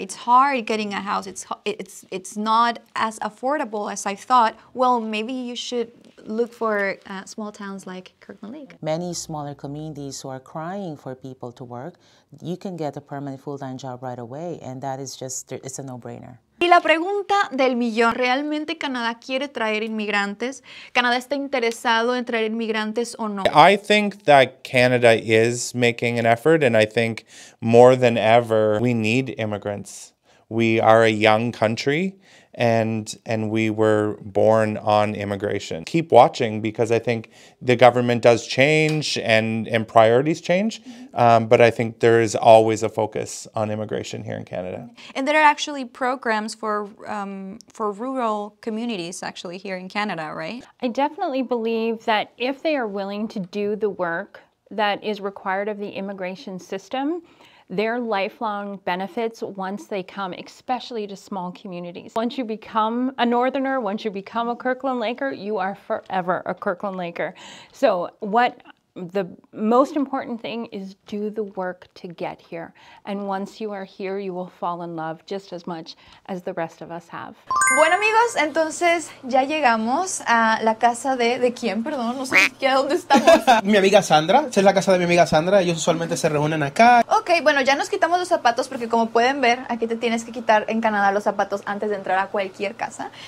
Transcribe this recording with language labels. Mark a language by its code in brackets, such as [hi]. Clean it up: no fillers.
[en] It's hard getting a house. It's not as affordable as I thought. Well, maybe you should look for small towns like Kirkland Lake. Many smaller communities who are crying for people to work, you can get a permanent full-time job right away, and that is just, it's a no-brainer. [es] Y la pregunta del millón, ¿realmente Canadá quiere traer inmigrantes? ¿Canadá está interesado en traer inmigrantes o no? [en] I think that Canada is making an effort, and I think more than ever, we need immigrants. We are a young country, and we were born on immigration. Keep watching, because I think the government does change and priorities change, but I think there is always a focus on immigration here in Canada. And there are actually programs for rural communities actually here in Canada, right? I definitely believe that if they are willing to do the work that is required of the immigration system, their lifelong benefits once they come, especially to small communities. Once you become a Northerner, once you become a Kirkland Laker, you are forever a Kirkland Laker. So what the most important thing is, do the work to get here. And once you are here, you will fall in love just as much as the rest of us have. [es] Bueno, amigos, entonces ya llegamos a la casa de quién, perdón, no sé siquiera dónde estamos. Mi amiga Sandra, es la casa de mi amiga Sandra, ellos usualmente se reúnen acá. Ok, bueno, ya nos quitamos los zapatos porque como pueden ver, aquí te tienes que quitar en Canadá los zapatos antes de entrar a cualquier casa.